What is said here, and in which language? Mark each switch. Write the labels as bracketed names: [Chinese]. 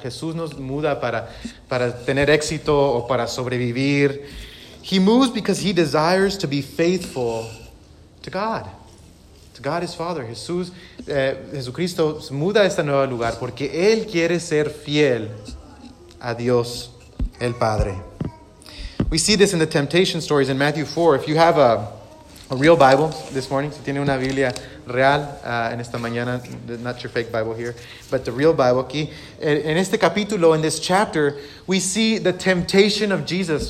[Spanish] Jesús no muda para tener éxito o para sobrevivir. [English] He moves because he desires to be faithful to God. To God his Father. [Spanish] Jesús, Jesucristo muda a este nuevo lugar porque él quiere ser fiel a Dios el Padre. [English] We see this in the temptation stories in Matthew 4. If you have a real Bible this morning, [Spanish] si tiene una Biblia real en esta mañana, [English] not your fake Bible here, but the real Bible [Spanish] aquí, en este capítulo, [English] in this chapter, we see the temptation of Jesus.